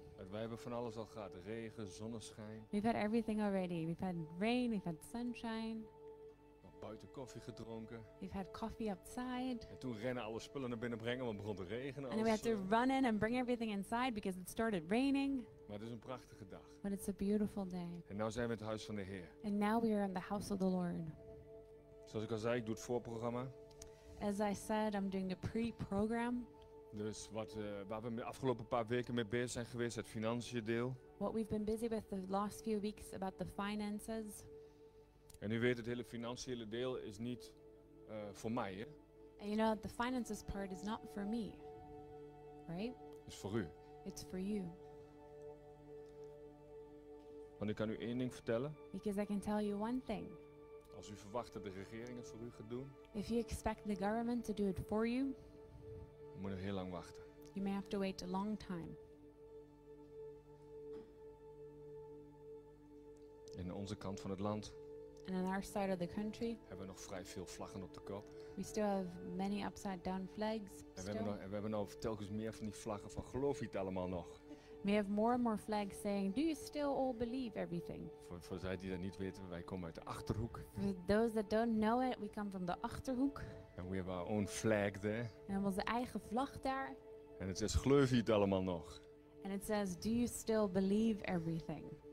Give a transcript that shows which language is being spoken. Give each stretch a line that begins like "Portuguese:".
Dutch: Wij hebben van alles al gehad. Regen, zonneschijn.
English: We've had everything already. We've had rain, we've had sunshine.
Dutch: Buiten koffie gedronken.
English: We've had coffee outside.
Dutch: En toen rennen alle spullen naar binnen brengen, want het begon te regenen.
English: And we had to run in and bring everything inside because it started raining.
Dutch: Maar het is een prachtige dag.
English: But it's a beautiful day.
Dutch: En nu zijn we in het huis van de Heer.
English: And now we are in the house of the Lord.
Dutch: Zoals ik al zei, ik doe het voorprogramma.
English: As I said, I'm doing the pre-program.
Dutch: Dus wat waar we de afgelopen paar weken mee bezig zijn geweest, het financiële deel.
English: What we've been busy with the last few weeks about the finances.
Dutch: En u weet, het hele financiële deel is niet voor mij, hè?
English: And you know, the finances part is not for me, right?
Dutch: Is voor u.
English: It's for you.
Dutch: Want ik kan u één ding vertellen.
English: Because I can tell you one thing.
Dutch: Als u verwacht dat de regering het voor u gaat doen.
English: If you expect the government to do it for you.
Dutch: Je moet nog heel lang wachten.
English: You may have to wait a long time.
Dutch: In onze kant van het land.
English: And on our side of the country.
Dutch: Hebben we nog vrij veel vlaggen op de kop.
English: We still have many upside down flags.
Dutch: En we hebben nog telkens meer van die vlaggen van geloof je het allemaal nog.
English: We have more and more flags saying, do you still all believe everything?
Dutch: Voor zij die dat niet weten, wij komen uit de Achterhoek.
English: For those that don't know it, we come from the Achterhoek. And we have our own flag there.
Dutch: En onze eigen vlag daar.
English: And it says,
Dutch: geloof je het allemaal nog?
English: And it says, do you still believe everything?